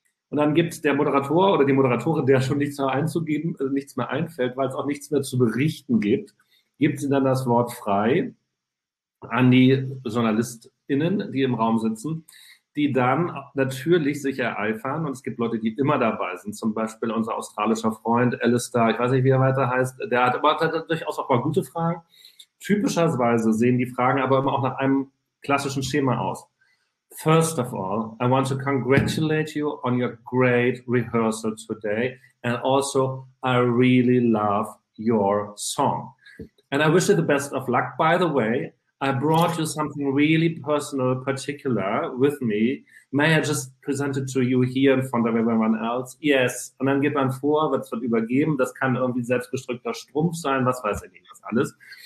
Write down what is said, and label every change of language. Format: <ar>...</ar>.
<de>Und dann gibt der Moderator oder die Moderatorin, der schon nichts mehr einzugeben, nichts mehr einfällt, weil es auch nichts mehr zu berichten gibt, gibt sie dann das Wort frei an die JournalistInnen, die im Raum sitzen, die dann natürlich sich ereifern. Und es gibt Leute, die immer dabei sind. Zum Beispiel unser australischer Freund Alistair, ich weiß nicht, wie er weiter heißt, der hat aber durchaus auch mal gute Fragen. Typischerweise sehen die Fragen aber immer auch nach einem klassischen Schema aus.</de> <en>First of all, I want to congratulate you on your great rehearsal today. And also, I really love your song. And I wish you the best of luck. By the way, I brought you something really personal, particular with me. May I just present it to you here in front of everyone else? Yes.</en> <de>Und dann geht man vor, was wird übergeben. Das kann irgendwie selbstgestrickter Strumpf sein, was weiß ich nicht, was alles.</de>